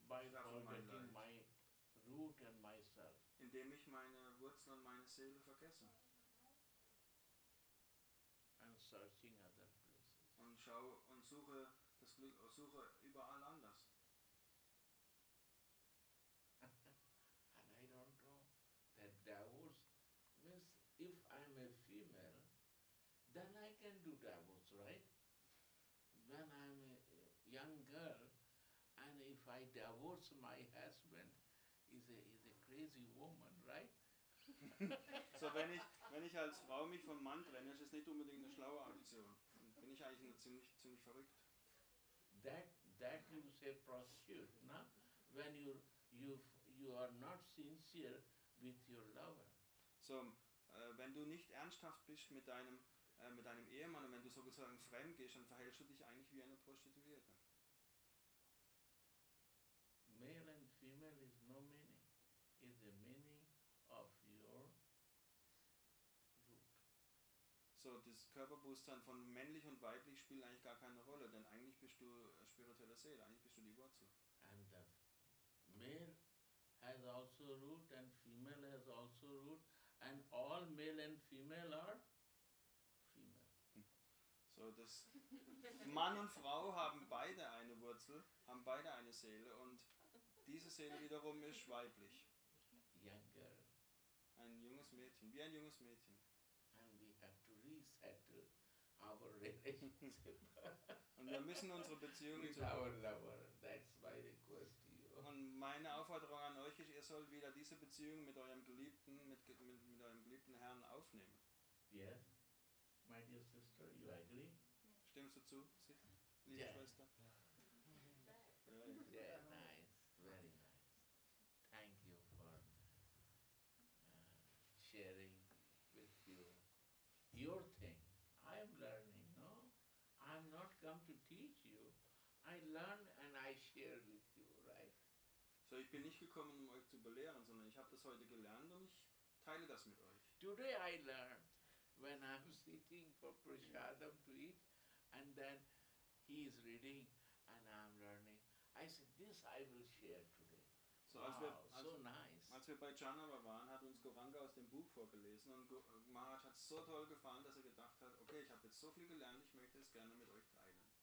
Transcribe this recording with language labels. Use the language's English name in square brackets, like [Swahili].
[English] by forgetting my root and myself. [German] Indem ich meine Wurzel und meine Seele vergesse. [English] And searching other places. [German] Und schau und suche das Glück, suche überall anders. [English] And I don't know that divorce means if I'm a female, then I can do divorce, right? When I'm a young girl, and if I divorce my husband, is a crazy woman, right? [German] So wenn ich als Frau mich vom Mann trenne, ist es nicht unbedingt eine schlaue Aktion. Bin ich eigentlich nur ziemlich verrückt. [English] That you say prostitute, no? When you are not sincere with your lover. [German] So, wenn du nicht ernsthaft bist mit deinem Ehemann und wenn du sozusagen fremd gehst, dann verhältst du dich eigentlich wie eine Prostituierte. [English] Male and female is no meaning. It's the meaning of your look. [German] So, das Körperbewusstsein von männlich und weiblich spielt eigentlich gar keine Rolle, denn eigentlich bist du spirituelle Seele, eigentlich bist du die Wurzel. [English] And the male has also root and female has also root and all male and female are female. [German] So, das Mann und Frau haben beide eine Wurzel, haben beide eine Seele und diese Seele wiederum ist weiblich. [English] Young girl. [German] Ein junges Mädchen, wie ein junges Mädchen. [English] And we have to resettle our relationship. [German] Und wir müssen unsere Beziehung [English] with our lover. That's my request to you. [German] Und meine Aufforderung an euch ist, ihr sollt wieder diese Beziehung mit eurem Geliebten, mit eurem geliebten Herrn aufnehmen. [English] Yes, my dear sister, you agree? Yeah. [German] Stimmst du zu, Sie, liebe [English] yeah. [German] Schwester? [English] Yeah. Yeah, nice. Very nice. Thank you for sharing with you your thing. I'm learning, no? I'm not come to teach you. I learn and I share with you, right? So ich bin nicht gekommen, um euch zu belehren, sondern ich habe das heute gelernt und ich teile das mit euch. Today I learned when I'm sitting for Prasadam to eat and then he is reading and I'm learning. I said, this I will share today. So wow, so nice. [German] Als wir bei Janava waren, hat uns Goranga aus dem Buch vorgelesen und Maharaj hat so toll gefallen, dass er gedacht hat, okay, ich habe jetzt so viel gelernt, ich möchte es gerne mit euch teilen.